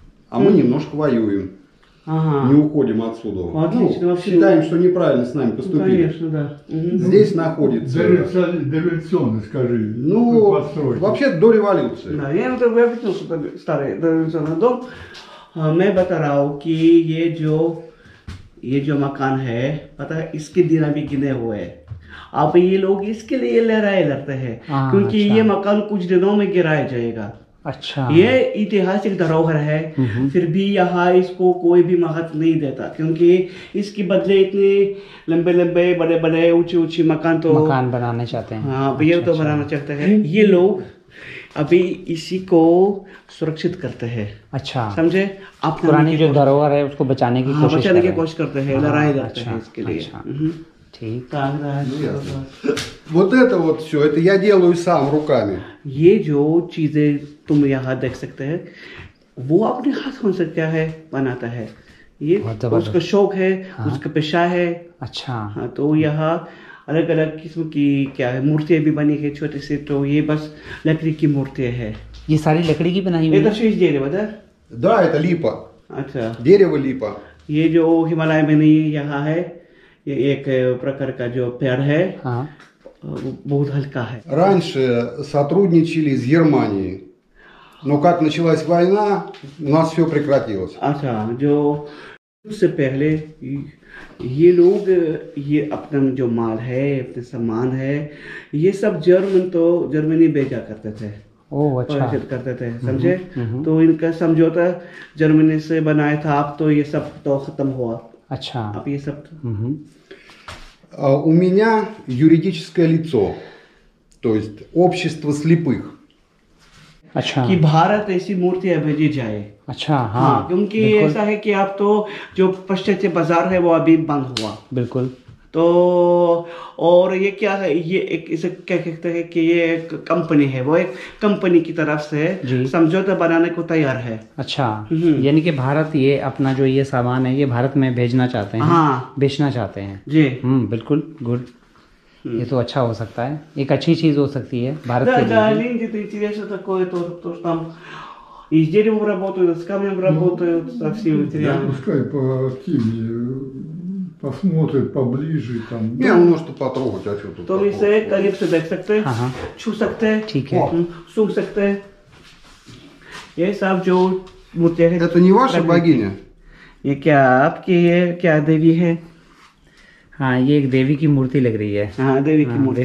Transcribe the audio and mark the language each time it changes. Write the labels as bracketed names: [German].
[Russian] А мы немножко воюем. Не уходим отсюда. Отлично, ну, считаем, что неправильно с нами поступили. Ну, конечно, да. Здесь находится... Дореволюционный, скажи. Ну, вообще до революции. Да, я вам объяснил, что это старый дореволюционный дом. Мы батарауки, [Hindi] ये जो मकान है, पता है, इसके दिन अभी गिने हुए है। अब ये लोग इसके लिए लड़ाई लड़ते हैं, क्योंकि ये मकान कुछ दिनों में गिराया जाएगा। अच्छा, ये ऐतिहासिक धरोहर है, फिर भी यहाँ इसको कोई भी महत्व नहीं देता, क्योंकि इसके बदले इतने लंबे लंबे बड़े बड़े ऊंचे ऊंचे मकान बनाने चाहते हैं। हाँ, अच्छा, ये तो अच्छा। बनाना चाहते हैं ये लोग, अभी इसी को सुरक्षित करते हैं। अच्छा, समझे आप, पुरानी जो धरोहर है उसको बचाने की कोशिश बचाने की कोशिश करते हैं, लड़ाई करते हैं इसके लिए। ठीक, [Russian] вот это вот все, это я делаю сам руками. [Hindi] ये जो चीजें तुम यहाँ देख सकते हैं, वो अपने हाथ से क्या है बनाता है, ये उसका शौक है, उसका पेशा है। अच्छा, तो यहाँ अलग अलग किस्म की क्या है मूर्तियां भी बनी है छोटे से, तो ये बस लकड़ी की मूर्तियां है। ये सारी लकड़ी की बनाई हुई है? [Russian] это липа. [Hindi] अच्छा, [Russian] дерево липа. [Hindi] ये जो हिमालय में नहीं यहाँ है, ये एक प्रकार का जो पेड़ है। हाँ, बहुत हल्का है। [Russian] раньше сотрудничали с Германией, но как началась война, у нас все прекратилось. [Hindi] अच्छा, जो उससे पहले ये लोग, ये अपना जो माल है, अपने सामान है, ये सब जर्मनी भेजा करते थे। ओ, अच्छा। प्रशासित करते थे, समझे? तो इनका समझौता जर्मनी से बनाया था, अब तो ये सब तो खत्म हुआ। अच्छा, अब ये सब [Russian] У меня юридическое лицо, то есть общество слепых. [Hindi] अच्छा, कि भारत ऐसी मूर्तियां भेजी जाए। अच्छा, हाँ, क्योंकि ऐसा है कि आप तो जो पश्चिम बाजार है वो अभी बंद हुआ। बिल्कुल, तो और ये क्या है, ये एक इसे क्या कहते हैं कि ये एक कंपनी है, वो एक कंपनी की तरफ से जी समझौता बनाने को तैयार है। अच्छा, यानी कि भारत ये अपना जो ये सामान है ये भारत में भेजना चाहते हैं, हाँ बेचना चाहते हैं। जी बिल्कुल गुड, ये तो अच्छा हो सकता है, एक अच्छी चीज हो सकती है भारत के लिए भी। [Russian] Да, деньги ты через это такое то что там и с деревом работают, с камнем работают, со всеми материалами. пускай по химии посмотрит поближе там. Не, он может потрогать, а что тут То такого есть сложного? коллекцию [Hindi] देख सकते हाँ हैं, छू सकते हैं, ठीक है। सूंघ सकते हैं, ये सब जो मुझे है। [Russian] Это не ваша богиня? [Hindi] ये क्या आपकी है, क्या देवी है? हाँ, ये एक देवी की मूर्ति लग रही है। हाँ देवी की हाँ, मूर्ति